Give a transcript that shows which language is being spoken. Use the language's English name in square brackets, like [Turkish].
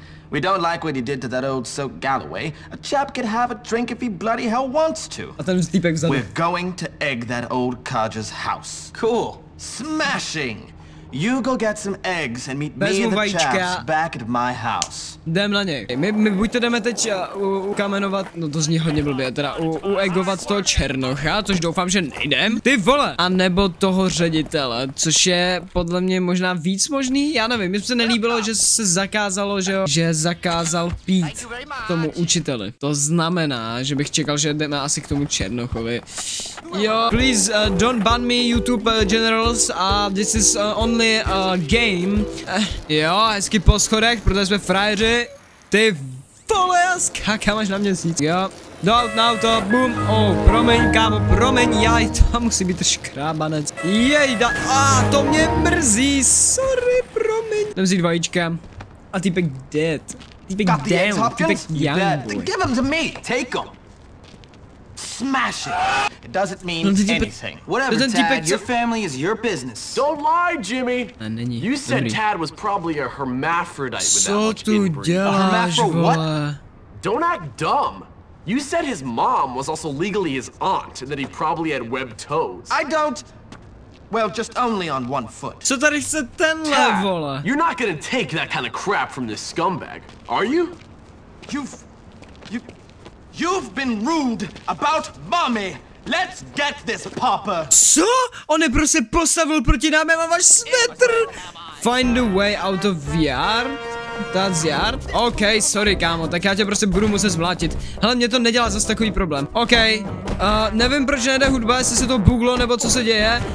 [English] We don't like what he did to that old Soap Galloway. A chap could have a drink if he bloody hell wants to. I thought it was deep exotic. We're going to egg that old codger's house. Cool. Smashing. You go get some eggs and meet me and the chaps back at my house. [Czech] Jdem na něj. My buď to jdeme teď ukamenovat, no to zní hodně blbě, teda uegovat toho Černocha, což doufám, že nejdem. Ty vole! A nebo toho ředitele, což je podle mě možná víc možný, já nevím, mi se nelíbilo, že se zakázalo, že zakázal pít tomu učiteli. To znamená, že bych čekal, že jdeme asi k tomu Černochovi. Jo, [English] please don't ban me YouTube generals, this is only game. [Czech] Jo, hezky po schodech, protože jsme frajeři. Ty vole, já skákám až na měsíc. Jo, do na auto, boom. Oh, promiň, kámo, promiň, jaj, to musí být škrábanec. Jejda, to mě mrzí, sorry, promiň. Jdem vzít vajíčka. A týpek dead. Týpek down, týpek [English] young boy. Give them to me, take them. Smash it. It doesn't mean anything. Whatever, Tad, your family is your business. Don't lie, Jimmy. [Czech] Není. [English] You said Tad was probably a hermaphrodite with so that much inbreeding. [Czech] Děláš, [English] a hermaphro what? Don't act dumb. You said his mom was also legally his aunt and that he probably had webbed toes. I don't. Well, just only on one foot. [Czech] Co tady chce tenhle, vole? [English] You're not gonna take that kind of crap from this scumbag, are you? You've been rude about mommy. Let's get this popper. [Czech] Co? On je prostě postavil proti nám, mám váš svetr. [English] Find a way out of yard. That's yard. [Czech] OK, sorry kámo, tak já tě prostě budu muset zmlátit. Hele, mě to nedělá zase takový problém. OK, nevím proč nejde hudba, jestli se to buglo nebo co se děje.